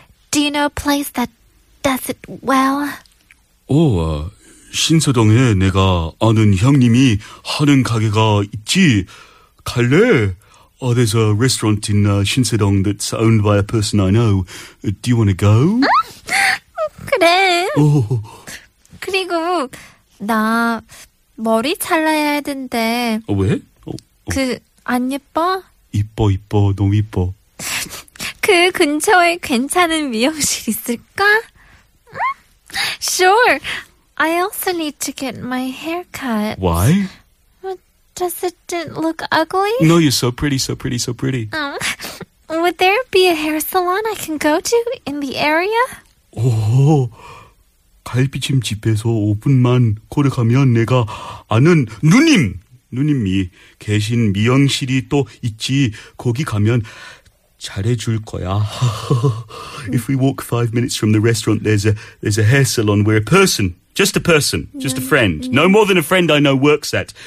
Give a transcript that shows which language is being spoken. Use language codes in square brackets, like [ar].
[en] Do you know a place that does it well? [ko] Oh, 신서동에 내가 아는 형님이 하는 가게가 있지. 갈래? [en] Oh, there's a restaurant in 신서동 that's owned by a person I know. Do you want to go? [ko] 그래. Oh. 그리고 나 머리 잘라야 하는데. 어, 왜? 그 안 예뻐? 이뻐, 이뻐. 너무 이뻐. 그 근처에 괜찮은 미용실 있을까? [en] Sure. I also need to get my hair cut. Why? Does it didn't look ugly? No, you're so pretty, so pretty, so pretty. Would there be a hair salon I can go to in the area? [ko] Oh, 갈비찜 집에서 5분만 걸어가면 내가 아는 누님이 계신 미용실이 또 있지. 거기 가면 잘해줄 거야. [en] If we walk 5 minutes from the restaurant, there's a hair salon where a person... Just a person, just a friend. No more than a friend I know works at.